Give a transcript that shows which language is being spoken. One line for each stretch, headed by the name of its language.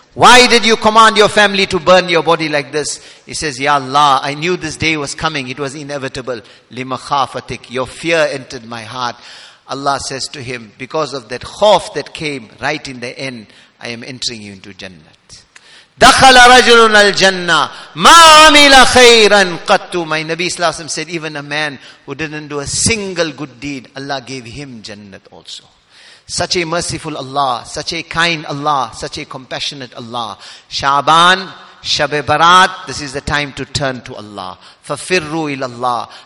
English: Why did you command your family to burn your body like this? He says, Ya Allah, I knew this day was coming. It was inevitable. Lima khafatik. Your fear entered my heart. Allah says to him, because of that khawf that came right in the end, I am entering you into Jannah.
Arabic: دخل رجل الجنة ما عمل خيرا قط.
English: My Nabi sallallahu alaihi wasallam said, even a man who didn't do a single good deed, Allah gave him Jannat also. Such a merciful Allah, such a kind Allah, such a compassionate Allah. Shaban, Shab-e Barat, this is the time to turn to Allah. Fafirru ilallah.